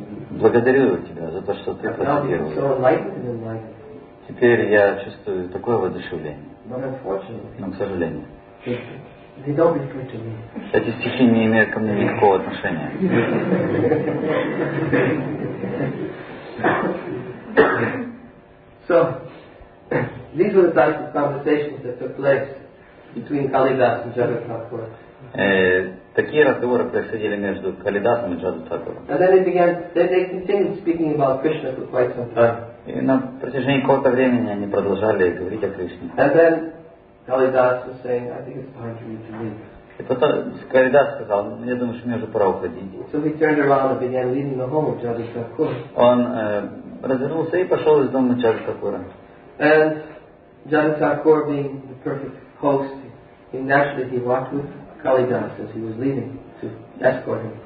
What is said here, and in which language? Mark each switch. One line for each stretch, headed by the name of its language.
Russian: благодарю тебя за то, что ты процитировал.
English: So
Russian: теперь я чувствую такое воодушевление. Но, к сожалению, эти стихи не имеют ко мне никакого отношения.
English: So, these were the types of conversations that took place between Kalidas and Jagatnathpur.
Russian: Такие разговоры происходили между Калидасом и Джаду Такуру.
English: And then they continued speaking about Krishna for quite some time.
Russian: И на протяжении какого-то времени они продолжали говорить о Кришне.
English: And then Kalidas was saying, I think it's time for you to leave.
Russian: И потом Калидас сказал, я думаю, что мне уже пора уходить.
English: So he turned around and began leaving the home of Jada Thakura.
Russian: Он развернулся и пошел из дома Джада Такура.
English: And Jada Thakura, being the perfect host, he naturally walked with Kalidas, as he was leaving, to escort him.